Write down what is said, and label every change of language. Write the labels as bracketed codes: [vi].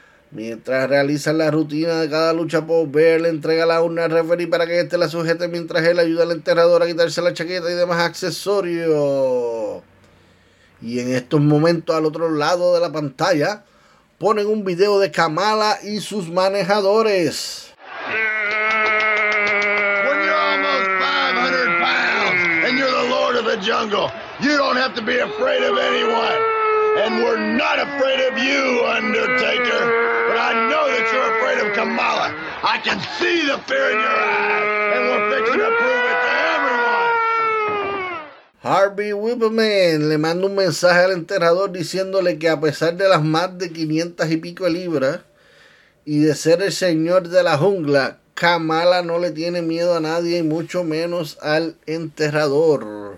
[es] Mientras realizan la rutina de cada lucha, Paul Bear le entrega la urna al referee para que éste la sujete mientras él ayuda al enterrador a quitarse la chaqueta y demás accesorios. Y en estos momentos, al otro lado de la pantalla, ponen un video de Kamala y sus manejadores. [en] When you're almost 500 pounds and you're the lord of the jungle, you don't have to be afraid of anyone. And we're not afraid of you, Undertaker. But I know that you're afraid of Kamala. I can see the fear in your eyes. And we're fixing to prove it to everyone. [es] Harvey Whippleman le manda un mensaje al enterrador diciéndole que a pesar de las más de 500 y pico libras y de ser el señor de la jungla, Kamala no le tiene miedo a nadie y mucho menos al enterrador.